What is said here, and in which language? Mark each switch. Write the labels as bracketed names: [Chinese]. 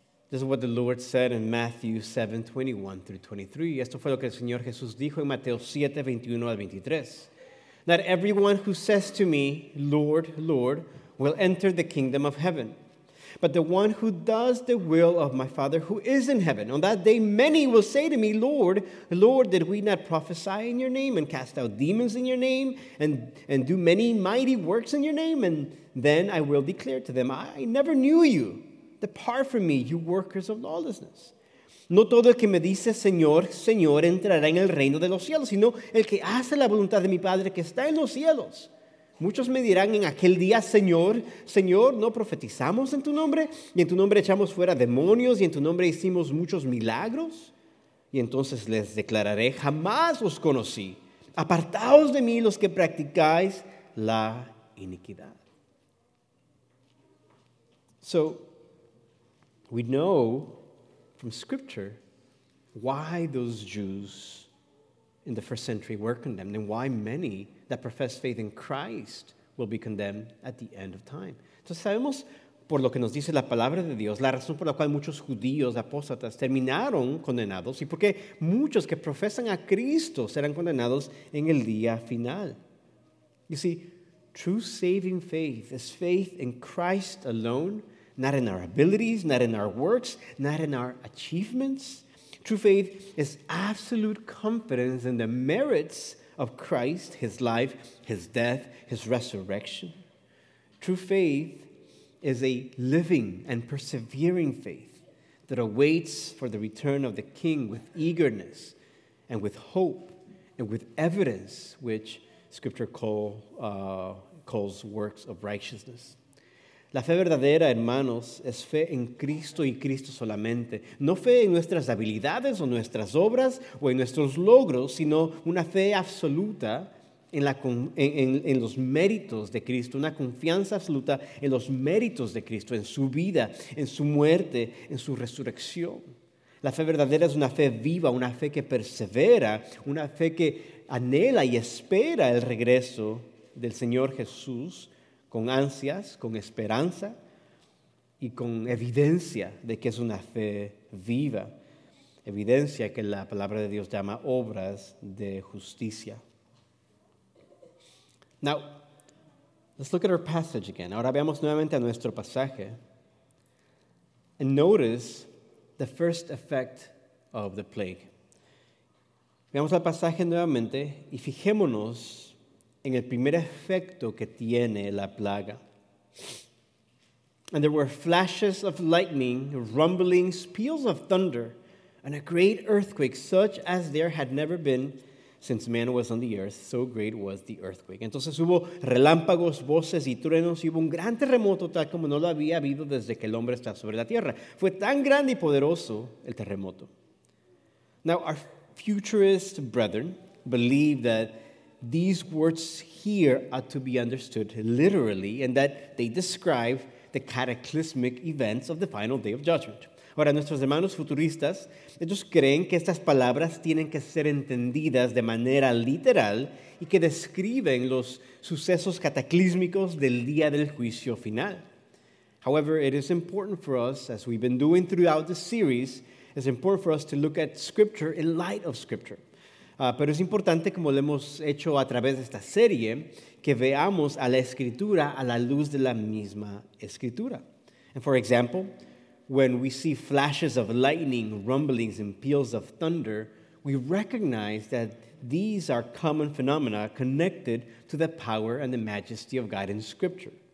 [English] This is what the Lord said in Matthew 7, 21 through 23. [Spanish] Esto fue lo que el Señor Jesús dijo en Mateo 7, 21 al 23. [English] Not everyone who says to me, Lord, Lord, will enter the kingdom of heaven, but the one who does the will of my Father who is in heaven. On that day, many will say to me, Lord, Lord, did we not prophesy in your name and cast out demons in your name and do many mighty works in your name? And then I will declare to them, I never knew you. Depart from me, you workers of lawlessness. [Spanish] No todo el que me dice Señor, Señor entrará en el reino de los cielos, sino el que hace la voluntad de mi Padre que está en los cielos. Muchos me dirán en aquel día, Señor, Señor, ¿no profetizamos en tu nombre? Y en tu nombre echamos fuera demonios y en tu nombre hicimos muchos milagros. Y entonces les declararé, jamás os conocí. Apartaos de mí los que practicáis la iniquidad. [English] So, we know from Scripture why those Jews in the first century were condemned and why many that profess faith in Christ will be condemned at the end of time. [Spanish] Entonces sabemos por lo que nos dice la palabra de Dios, la razón por la cual muchos judíos apóstatas terminaron condenados y por qué muchos que profesan a Cristo serán condenados en el día final. [English] You see, true saving faith is faith in Christ alone, not in our abilities, not in our works, not in our achievements. True faith is absolute confidence in the merits of Christ, his life, his death, his resurrection. True faith is a living and persevering faith that awaits for the return of the King with eagerness and with hope and with evidence, which Scripture calls works of righteousness. [Spanish] La fe verdadera, hermanos, es fe en Cristo y Cristo solamente. No fe en nuestras habilidades o nuestras obras o en nuestros logros, sino una fe absoluta en los méritos de Cristo, una confianza absoluta en los méritos de Cristo, en su vida, en su muerte, en su resurrección. La fe verdadera es una fe viva, una fe que persevera, una fe que anhela y espera el regreso del Señor Jesús con ansias, con esperanza y con evidencia de que es una fe viva. Evidencia que la palabra de Dios llama obras de justicia. [English] Now, let's look at our passage again. [Spanish] Ahora veamos nuevamente a nuestro pasaje. [English] And notice the first effect of the plague. [Spanish] Veamos el pasaje nuevamente y fijémonos en el primer efecto que tiene la plaga. [English] And there were flashes of lightning, rumblings, peals of thunder, and a great earthquake, such as there had never been since man was on the earth, so great was the earthquake. [Spanish] Entonces hubo relámpagos, voces y truenos, y hubo un gran terremoto tal como no lo había habido desde que el hombre está sobre la tierra. Fue tan grande y poderoso el terremoto. [English] Now, our futurist brethren believe that these words here are to be understood literally and that they describe the cataclysmic events of the final day of judgment. [Spanish] Ahora, nuestros hermanos futuristas, ellos creen que estas palabras tienen que ser entendidas de manera literal y que describen los sucesos cataclísmicos del día del juicio final. [English] However, it is important for us, as we've been doing throughout the series, it's important for us to look at Scripture in light of Scripture. [Spanish] Pero es importante, como lo hemos hecho a través de esta serie, que veamos a la Escritura a la luz de la misma Escritura. [English] And for example, when we see flashes of lightning, rumblings, and peals of thunder, we recognize that these are common phenomena connected to the power and the majesty of God in Scripture.